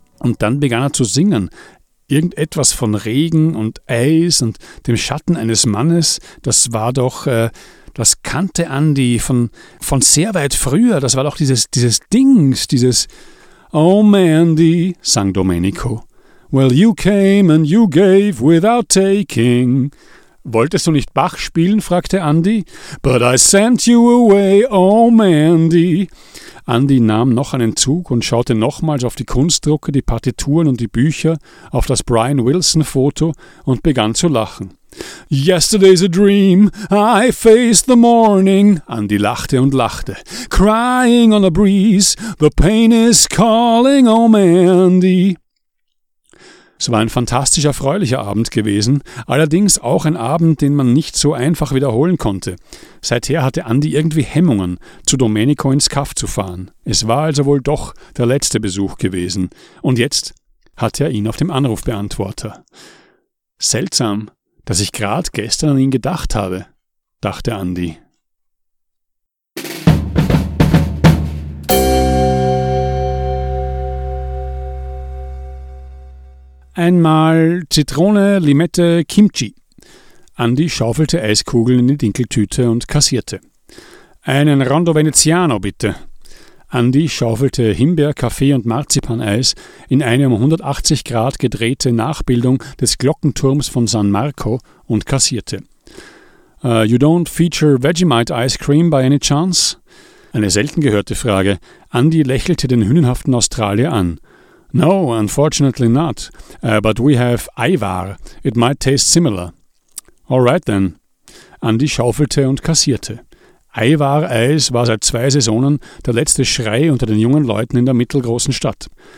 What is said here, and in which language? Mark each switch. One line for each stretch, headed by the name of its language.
German: Und dann begann er zu singen. Irgendetwas von Regen und Eis und dem Schatten eines Mannes, das war doch, das kannte Andy von sehr weit früher, das war doch dieses Dings, dieses »Oh, Mandy«, sang Domenico.
English: »Well, you came and you gave without taking«.
German: »Wolltest du nicht Bach spielen?«, fragte Andy. »
English: But I sent you away, oh, Mandy«.
German: Andy nahm noch einen Zug und schaute nochmals auf die Kunstdrucke, die Partituren und die Bücher, auf das Brian Wilson-Foto und begann zu lachen.
English: Yesterday's a dream, I face the morning.
German: Andy lachte und lachte.
English: Crying on a breeze, the pain is calling, oh Mandy.
German: Es war ein fantastisch erfreulicher Abend gewesen, allerdings auch ein Abend, den man nicht so einfach wiederholen konnte. Seither hatte Andy irgendwie Hemmungen, zu Domenico ins Kaff zu fahren. Es war also wohl doch der letzte Besuch gewesen. Und jetzt hatte er ihn auf dem Anrufbeantworter. Seltsam, dass ich gerade gestern an ihn gedacht habe, dachte Andy. Einmal Zitrone, Limette, Kimchi. Andy schaufelte Eiskugeln in die Dinkeltüte und kassierte. Einen Rondo Veneziano, bitte. Andy schaufelte Himbeer, Kaffee und Marzipaneis in eine um 180 Grad gedrehte Nachbildung des Glockenturms von San Marco und kassierte.
English: You don't feature Vegemite ice cream by any chance?
German: Eine selten gehörte Frage. Andy lächelte den hünenhaften Australier an.
English: No, unfortunately not. But we have Aivar. It might taste similar. All right then.
German: Andy schaufelte und kassierte. Aivar-Eis war seit 2 Saisonen der letzte Schrei unter den jungen Leuten in der mittelgroßen Stadt.